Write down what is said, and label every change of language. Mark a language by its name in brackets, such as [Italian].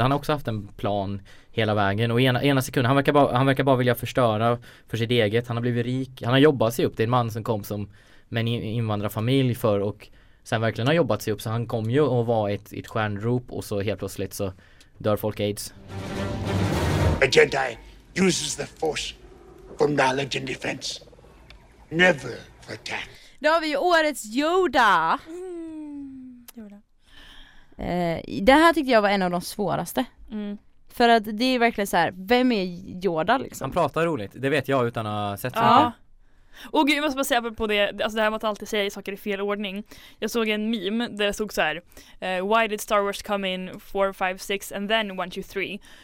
[Swedish] Han har också haft en plan hela vägen. Och ena sekunden, han verkar bara vilja förstöra för sitt eget. Han har blivit rik, han har jobbat sig upp. Det är en man som kom som med en invandrarfamilj för, och sen verkligen har jobbat sig upp. Så han kom ju att vara ett stjärnrop, och så helt plötsligt så dör folk AIDS. [English] A Jedi uses the force for knowledge and defense, never for attack. [Swedish] Då har vi årets Yoda. Det här tyckte jag var en av de svåraste. För att det är verkligen så här, vem är Yoda liksom? Han pratar roligt, det vet jag utan att ha sett så. Och gud, jag måste bara säga på det, alltså det här med att alltid säga saker i fel ordning. Jag såg en meme där det stod så här: [English] why did Star Wars come in 4, 5, 6 and then 1, 2, 3?